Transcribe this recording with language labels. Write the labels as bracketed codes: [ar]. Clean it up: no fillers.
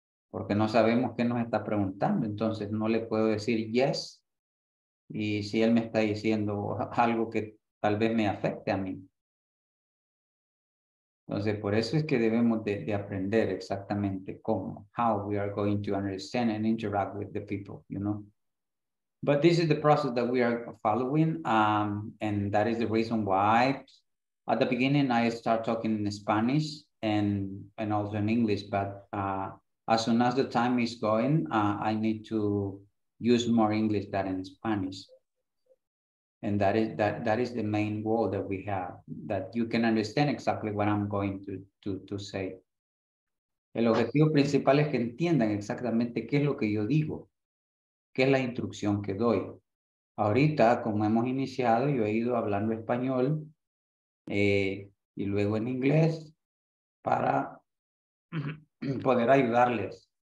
[es] Porque no sabemos qué nos está preguntando. Entonces, no le puedo decir yes. Y si él me está diciendo algo que tal vez me afecte a mí. Entonces, por eso es que debemos de aprender exactamente cómo. [en] How we are going to understand and interact with the people, you know. But this is the process that we are following. And that is the reason why at the beginning I start talking in Spanish and also in English. But as soon as the time is going, I need to use more English than in Spanish. And that is the main goal that we have, that you can understand exactly what I'm going to say. [es] El objetivo principal es que entiendan exactamente qué es lo que yo digo, qué es la instrucción que doy. Ahorita, como hemos iniciado, yo he ido hablando español y luego en inglés para poder ayudarles.